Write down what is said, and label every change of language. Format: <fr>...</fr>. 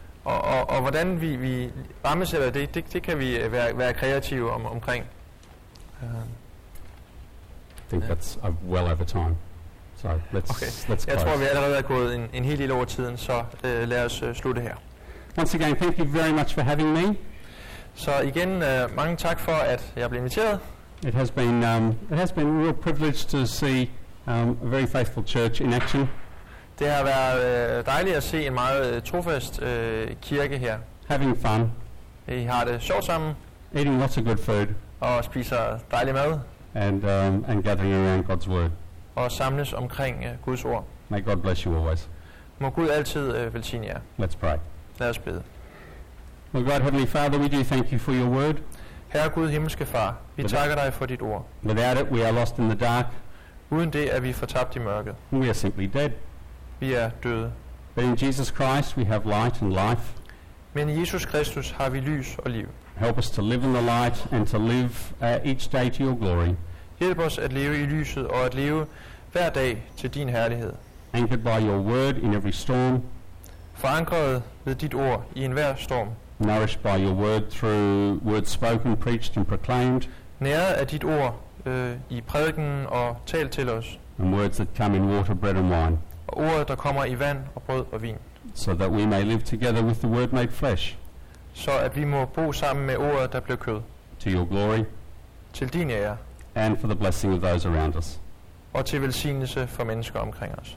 <da>Og hvordan vi rammesætter det kan vi være kreative omkring.</da> <en>I think that's well over time. So let's</en> <da>jeg tror, vi allerede er gået en hel del over tiden, så lad os slutte her.</da> <en>Once again, thank you very much for having me.</en> <da>Så igen, mange tak for, at jeg blev inviteret.</da> <en>It has been a real privilege to see a very faithful church in action.</en> <da>Det har været dejligt at se en meget trofast kirke her.</da> <en>Having fun.</en> <da>I har det sjovt sammen.</da> <en>Eating lots of good food.</en> <da>Og spiser dejlig mad.</da> <en>And gathering around God's word.</en> <da>Og samles omkring Guds ord.</da> <en>May God bless you always.</en> <da>Må Gud altid velsigne jer.</da> <en>Let's pray.</en> <da>Lad os bede.</da> <en>Well, God, Heavenly Father, we do thank you for your word.</en> <da>Herre Gud, himmelske far, vi takker dig for dit ord.</da> <en>Without it, we are lost in the dark.</en> <da>Uden det er vi fortabt i mørket.</da> <en>We are simply dead.</en> <da>Vi er døde.</da> <en>But in Jesus Christ, we have light and life.</en> <da>Men i Jesus Kristus har vi lys og liv.</da> <en>Help us to live in the light and to live each day to your glory.</en> <da>Hjælp os at leve i lyset og at leve hver dag til din herlighed.</da> <en>Anchored by your word in every storm.</en> <da>Forankret ved dit ord i enhver storm.</da> <en>Nourished by your word through words spoken, preached and proclaimed.</en> <da>Næret af dit ord i prædiken og talt til os.</da> <en>And words that come in water, bread and wine.</en> <da>Og ordet der kommer i vand og brød og vin.</da> <en>So that we may live together with the word made flesh.</en> <da>Så at vi må bo sammen med ordet der blev kød.</da> <en>To your glory.</en> <da>til din ære.</da> <en>And for the blessing of those around us.</en> <da>Og til velsignelse for mennesker omkring os.</da>